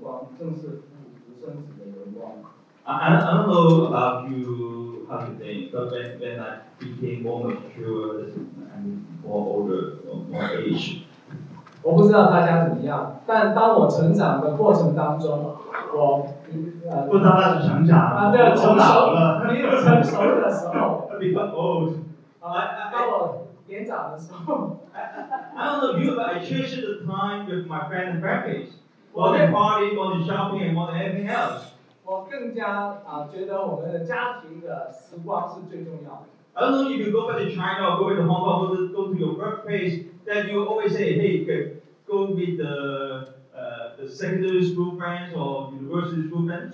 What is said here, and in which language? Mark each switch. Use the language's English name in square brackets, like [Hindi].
[Chinese] 约翰福音1章14节这样说，道成了肉身，住在我们中间，充充满满的有恩典，有真理，我们也见过他的荣光，正是父独生子的荣光。 [English] I don't know about you, how to think, but when I became more mature and more older, more age. [Chinese] 我不知道大家怎么样，但当我成长的过程当中，我不知道他是成长了，成熟了，你成熟的时候。 [English] Become old. [Chinese] 当我年长的时候。 [English] I don't know you, but I cherished the time with my friends and families, more than party, more than shopping, and more than anything else. [Chinese] 我更加觉得我们的家庭的时光是最重要的。 [English] I don't know if you go back to China or go to Hong Kong, go to your workplace, then you always say, hey, go meet the secondary school friends or university school friends.